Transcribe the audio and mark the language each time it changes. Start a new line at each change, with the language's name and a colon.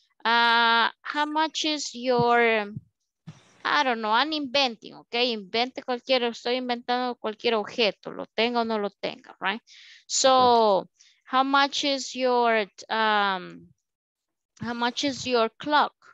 English: How much is your, I don't know, I'm inventing, okay?
Spanish: Invente cualquier, estoy inventando cualquier objeto, lo tenga o no lo tenga, right?
English: So, okay. How much is your how much is your clock?